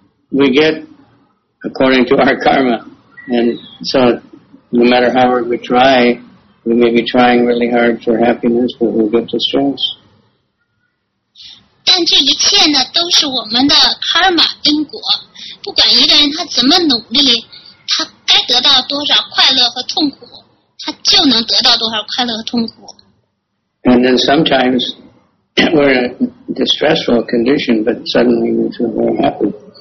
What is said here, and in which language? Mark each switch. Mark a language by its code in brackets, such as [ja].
[en] we get according to our karma, and so no matter how hard we try, we may be trying really hard for happiness, but we'll get the stress. [zh] 但这一切呢，都是我们的 karma 因果，不管一个人他怎么努力。 [en] And then sometimes we're in a distressful condition, but suddenly we feel very happy.